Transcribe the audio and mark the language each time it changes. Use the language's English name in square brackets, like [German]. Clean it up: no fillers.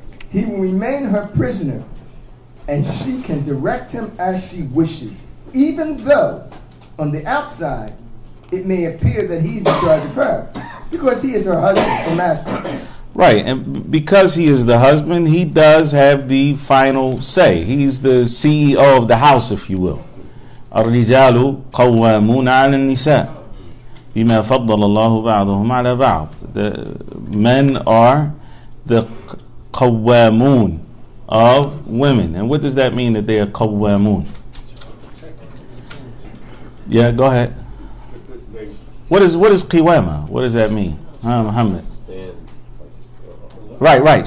[English] He will remain her prisoner, and she can direct him as she wishes, even though on the outside it may appear that he's in charge of her, because he is her husband or master. Right, and because he is the husband, he does have the final say. He's the CEO of the house, if you will. [Arabic] الرجال قوامون على النساء بما فضل الله بعضهم على بعض. [English] The men are the قوامون of women. And what does that mean, that they are قوامون? Yeah, go ahead. What is قوامة? What does that mean? Huh, Muhammad? Right.